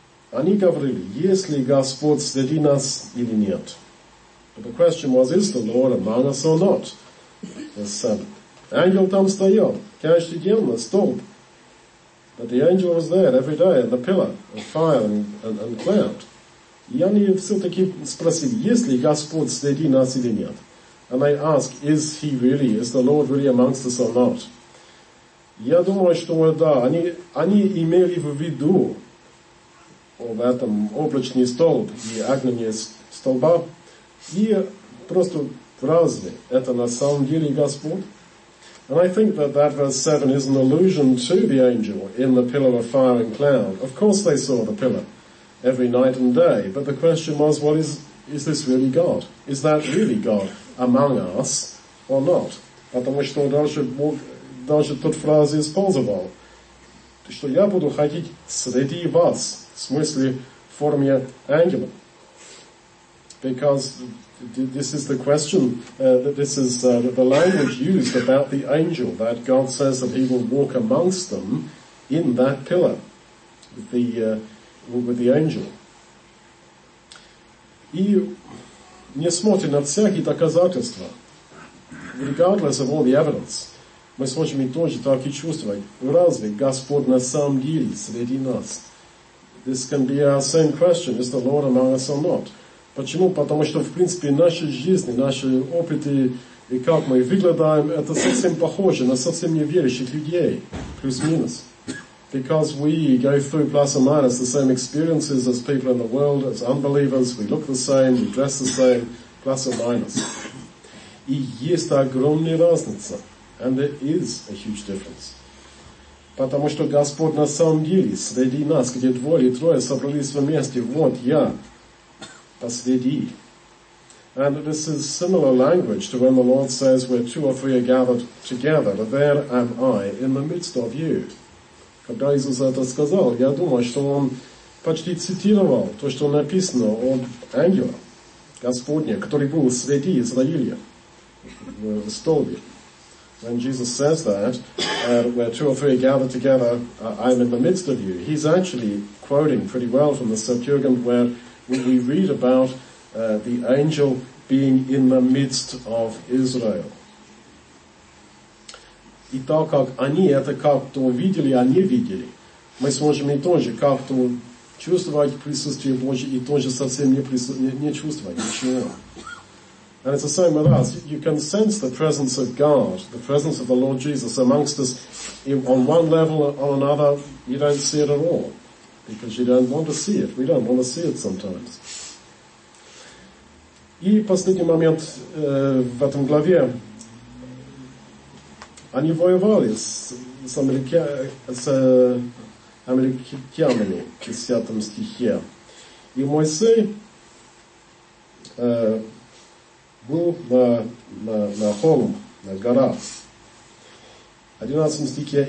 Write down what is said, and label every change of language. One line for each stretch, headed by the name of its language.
Russian: Они говорили, есть ли Господь среди нас или нет?
English: But the question was, is the Lord among us or not? The angel
Russian: там стоял, каждый день на столб.
English: But the angel was there every day, and the pillar of fire and cloud.
Russian: И они все-таки спросили, есть ли Господь среди нас или нет.
English: And they ask, is he really, is the Lord really amongst us or not?
Russian: Я думаю, что да, они имели в виду об этом облачный столб и огненные столба, и просто разве это на самом деле Господь?
English: And I think that verse 7 is an allusion to the angel in the pillar of fire and cloud. Of course they saw the pillar every night and day, but the question was, what is this really God? Is that really God among us or not?
Russian: Потому что дальше тот фраза использовал, что я буду ходить среди вас, в смысле в форме ангела.
English: Because this is the question, the language used about the angel, that God says that he will walk amongst them in that pillar, with the angel.
Russian: И несмотря на всякие доказательства,
English: regardless of all the evidence,
Russian: мы сможем и тоже так и чувствовать, разве Господь на самом деле среди нас?
English: This can be our same question, is the Lord among us or not?
Russian: Почему? Потому что, в принципе, наши жизни, наши опыты и как мы выглядаем, это совсем похоже на совсем неверующих людей, плюс-минус.
English: Because we go through plus or minus the same experiences as people in the world, as unbelievers, we look the same, we dress the same, plus or minus.
Russian: И есть огромная разница.
English: And there is a huge difference.
Russian: Потому что Господь на самом деле среди нас, где двое или трое собрались вместе, вот я.
English: And this is similar language to when the Lord says, where two or three are gathered together, there am I in the midst of you.
Russian: Когда Иисус это сказал, я думаю, что он почти цитировал то, что написано об ангеле Господне, который был среди Израиля в столбе.
English: When Jesus says that, where two or three are gathered together, I'm in the midst of you. He's actually quoting pretty well from the Septuagint where we read about the angel being in the midst of Israel.
Russian: И так как они это как-то видели, а не видели, мы сможем и тоже как-то чувствовать присутствие Божье и тоже совсем не чувствовать ничего.
English: And it's the same with us. You can sense the presence of God, the presence of the Lord Jesus amongst us on one level or on another, you don't see it at all. Because you don't want to see it. We don't want to see it sometimes.
Russian: И последний момент в этом главе. Они воевали с американами в 10 стихе. И Моисей был на холм, на гора. В 11 стихе.